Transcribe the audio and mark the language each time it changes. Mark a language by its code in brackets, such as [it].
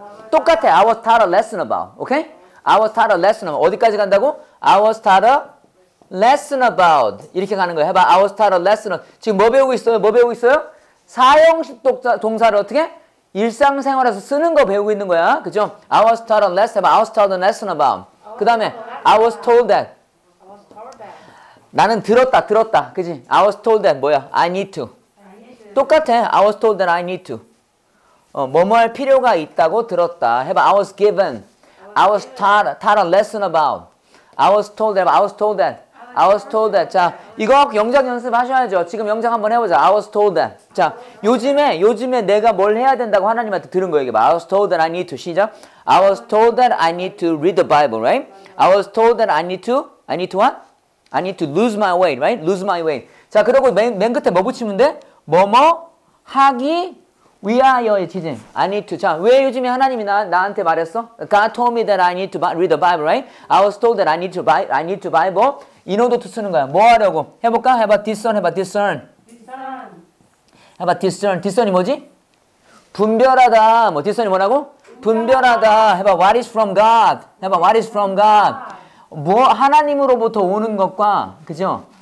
[en] 똑같아. I was taught a lesson about. Okay? I was taught a lesson about. [ko] 어디까지 간다고? [en] I was taught a lesson about. [ko] 이렇게 가는 거야. 해봐. [en] I was taught a lesson about. [ko] 지금 뭐 배우고 있어요? 뭐 배우고 있어요? 사형식 동사를 어떻게? 일상생활에서 쓰는 거 배우고 있는 거야. 그죠? [en] I was taught a lesson about. I was taught a lesson about. 그 다음에 I was told that. [ko] 나는 들었다. 들었다. 그지? [en] I was told that. 뭐야? I need to. 똑같아. I was told that I need to. [ko] 뭐뭐 할 필요가 있다고 들었다. [en] 해봐. I was given. I was taught a lesson about. I was told that. I was told that. I was told that. [ko] 자, 이거 영작 연습하셔야죠. 지금 영작 한번 해보자. [en] I was told that. [ko] 자, 요즘에 내가 뭘 해야 된다고 하나님한테 들은 거예요. 이게 봐. [en] I was told that I need to. [ko] 시작. [en] I was told that I need to read the Bible, right? I was told that I need to what? I need to lose my weight, right? Lose my weight. [ko] 자, 그리고 맨 끝에 뭐 붙이면 돼? 뭐뭐 하기 위하여, 지금. [en] I need to. [ko] 자, 왜 요즘에 하나님이 나한테 말했어? [en] God told me that I need to read the Bible, right? I was told that I need to Bible. [ko] 인어도 투 쓰는 거야. 뭐 하려고? 해볼까? 해봐. discern. 해봐. discern. discern. 해봐. discern. discern이 뭐지? 분별하다. 뭐 discern이 뭐라고? 분별하다. 해봐. [en] what is from God? [ko] 해봐. [en] what is from God? [ko] 뭐 하나님으로부터 오는 것과 그죠?